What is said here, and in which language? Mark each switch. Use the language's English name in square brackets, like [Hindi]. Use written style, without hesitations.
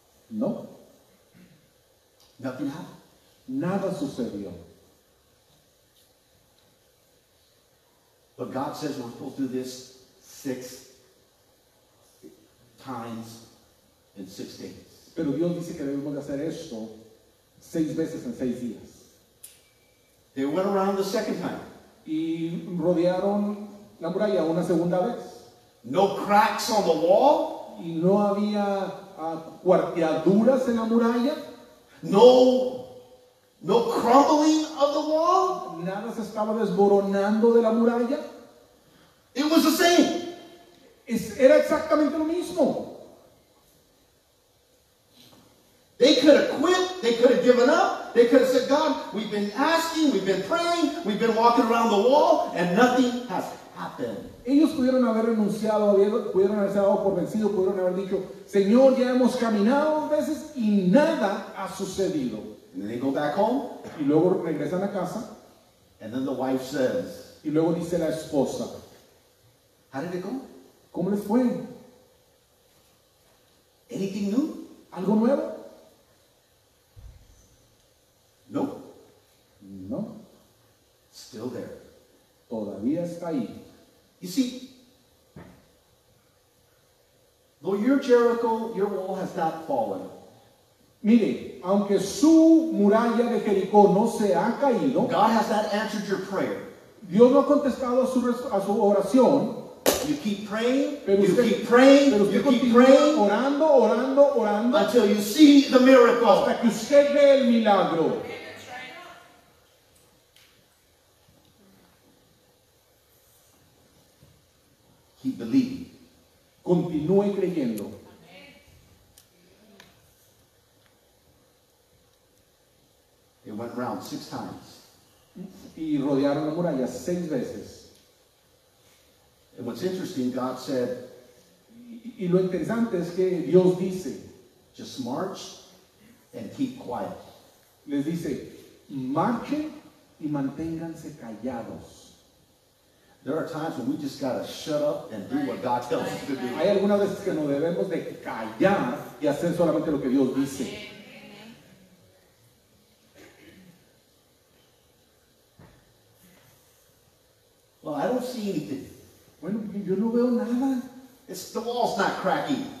[English] No. Nothing happened. [Spanish] Nada sucedió. [English] But God says we're supposed to do this 6 times in 6 days. [Spanish] Pero Dios dice que debemos de hacer esto 6 veces en 6 días. [English] They went around the second time. [Spanish] Y rodearon la muralla una segunda vez. [English] No cracks on the wall. [Spanish] Y no había cuarteaduras en la muralla. [English] No crumbling of the wall. [Spanish] Nada se estaba desboronando de la muralla. [English] It was the same. [Spanish] Era exactamente lo mismo. [English] They could have quit. They could have given up. They could have said, God, we've been asking, we've been praying, we've been walking around the wall, and nothing has happened. [Spanish] Ellos pudieron haber renunciado, pudieron haberse dado por vencido, pudieron haber dicho, Señor, ya hemos caminado dos veces y nada ha sucedido. [English] And then they go back home. [Spanish] Y luego regresan a casa. [English] And then the wife says, [Spanish] y luego dice la esposa, [English] how did it go? [Spanish] ¿Cómo les fue? [English] Anything new? [Spanish] ¿Algo nuevo? [English] No. [Spanish] No. [English] Still there. [Spanish] Todavía está ahí. [English] You see, though your Jericho, your wall has not fallen. [Spanish] Mire, aunque su muralla de Jericó no se ha caído, [English] God has not answered your prayer. [Spanish] Dios no ha contestado a su oración. [English] You keep praying, you keep praying, [Spanish] orando, [English] until you see the miracle. [Spanish] Hasta que usted ve el milagro. [English] Keep believing. [Spanish] Continúe creyendo. [English] It went round 6 times. [Spanish] Y rodearon la muralla 6 veces. [English] And what's interesting, God said, [Spanish] y lo interesante es que Dios dice, [English] just march and keep quiet. [Spanish] Les dice, marchen y manténganse callados. [English] There are times when we just gotta shut up and do what God tells us to do. [Spanish] Hay algunas veces que nos debemos de callar y hacer solamente lo que Dios dice. [English] Well, I don't see anything. [Spanish] Bueno, yo no veo nada. [English] The wall's not cracking.